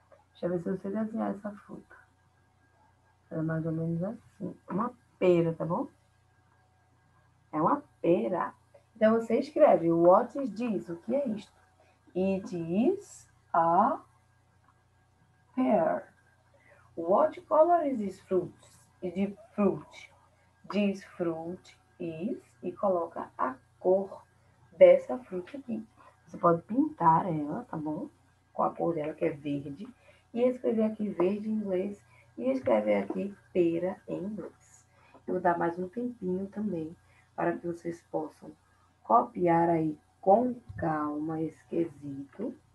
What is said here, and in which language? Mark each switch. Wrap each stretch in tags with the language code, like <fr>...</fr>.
<pt>Deixa eu ver se eu sei desenhar essa fruta. É mais ou menos assim. Uma pera, tá bom? É uma pera. Então você escreve,</pt> <en>what is this?</en> <pt>O que é isto?</pt> <en>It is a pear. What color is this fruit? De fruit. This fruit is.</en> <pt>E coloca a cor dessa fruta aqui. Você pode pintar ela, tá bom? Com a cor dela, que é verde. E escrever aqui verde em inglês. E escrever aqui pera em inglês. Eu vou dar mais um tempinho também para que vocês possam copiar aí com calma esse quesito.</pt>